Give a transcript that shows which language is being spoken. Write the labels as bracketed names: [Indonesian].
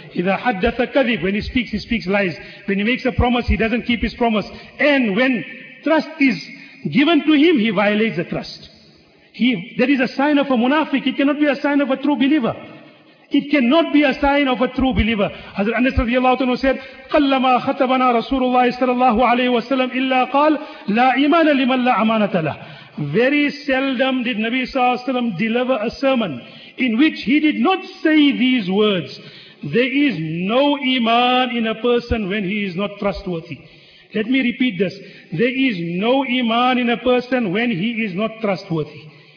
[Arabic] Idha haddatha kadhib, [English] when he speaks lies. When he makes a promise, he doesn't keep his promise. And when trust is given to him, he violates the trust. That is a sign of a munafiq. It cannot be a sign of a true believer. It cannot be a sign of a true believer. Hazrat Anas radiallahu anhu said, [Arabic] قَلَّمَا خَتَبَنَا رَسُولُ اللَّهِ صَلَى اللَّهُ عَلَيْهِ وَسَلَّمْ إِلَّا قَالْ لَا إِمَانَ لِمَنْ لَا أَمَانَةَ لَهُ. [English] Very seldom did Nabi SAW deliver a sermon in which he did not say these words. There is no iman in a person when he is not trustworthy. Let me repeat this. There is no iman in a person when he is not trustworthy.